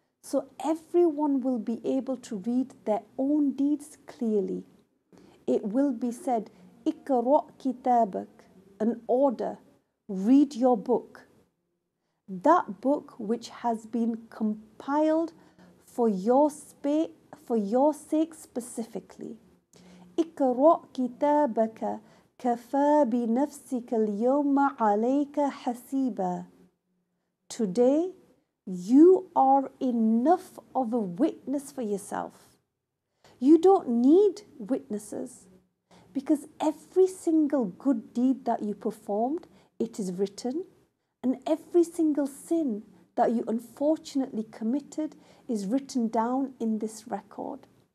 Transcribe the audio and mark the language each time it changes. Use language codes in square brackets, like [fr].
[en] So everyone will be able to read their own deeds clearly. It will be said, [ar] اقرأ كتابك, [en] an order, read your book. That book which has been compiled for your sake specifically. [ar] اقرأ كتابك كفى بنفسك اليوم عليك حسيبا. [en] Today, you are enough of a witness for yourself. You don't need witnesses because every single good deed that you performed, it is written, and every single sin that you unfortunately committed is written down in this record.